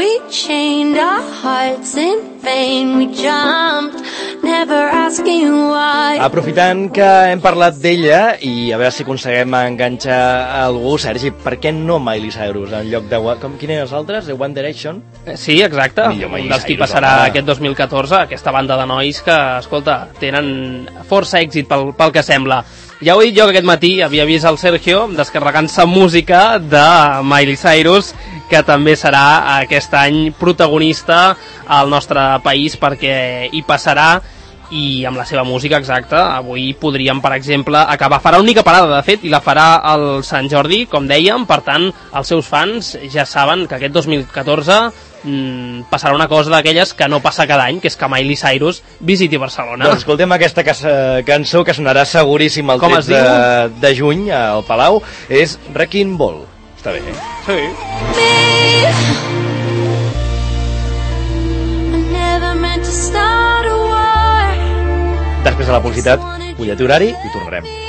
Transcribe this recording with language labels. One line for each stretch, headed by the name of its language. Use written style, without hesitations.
English: Chained our hearts in vain, we jumped, never asking why.
Catalan: Aprofitant que hem parlat d'ella i a veure si aconseguim enganxar algú, Sergi, per què no Miley Cyrus en lloc de... Com, quina és altres? The One Direction? Sí, exacte. Un dels qui passarà aquest 2014, aquesta banda de nois que, escolta, tenen força èxit pel que sembla. Ja ho he dit jo que aquest matí havia vist el Sergio descarregant-se música de Miley Cyrus, que també serà aquest any protagonista al nostre país perquè hi passarà, i amb la seva música exacta. Avui podríem, per exemple, acabar, farà única parada, de fet, i la farà el Sant Jordi, com dèiem, per tant, els seus fans ja saben que aquest 2014 passarà una cosa d'aquelles que no passa cada any, que és que Miley Cyrus visiti Barcelona. Doncs escoltem aquesta cançó que sonarà seguríssim el 13 de juny al Palau, és Wrecking Ball. Està bé, eh?
English: Sí. Me, I never meant to start a war.
Catalan: Després de la publicitat, butlletí horari i tornarem.